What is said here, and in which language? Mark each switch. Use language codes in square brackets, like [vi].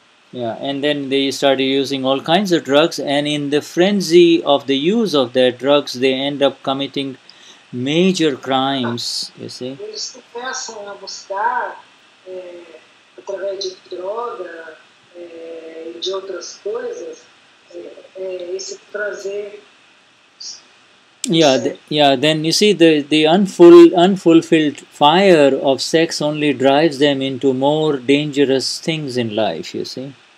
[en] Yeah, and then they start using all kinds of drugs, and in the frenzy of the use of their drugs, they end up committing major crimes, you see. [pt] Eles começam a buscar através de droga e de outras coisas esse prazer. [en] Then you see the unfulfilled fire of sex only drives them into more dangerous things in life, you see.